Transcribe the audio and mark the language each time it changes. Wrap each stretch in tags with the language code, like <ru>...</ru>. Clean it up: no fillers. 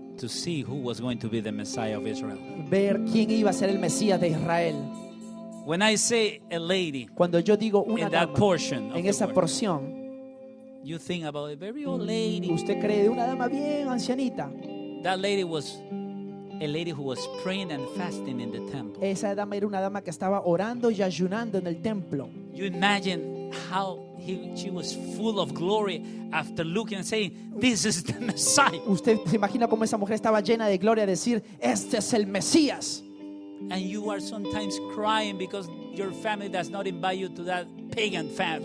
<en>To see who was going to be the Messiah of Israel.</en> <es>Ver quién iba a ser el Mesías de Israel.</es> <en>When I say a lady.</en> <es>Cuando yo digo una</es> <en>in</en> <es>dama.</es> <en>In that portion.</en> <es>En esa porción.</es> <en>You think about a very old lady.</en> <es>Usted cree de una dama bien ancianita.</es> <en>That lady was a lady who was praying and fasting in the temple.</en> <es>Esa dama era una dama que estaba orando y ayunando en el templo.</es> <en>You imagine how she was full of glory after looking and saying, "This is the Messiah."</en> <es>Usted se imagina cómo esa mujer estaba llena de gloria a decir, "Este es el Mesías."</es> <en>And you are sometimes crying because your family does not invite you to that pagan festivity.</en>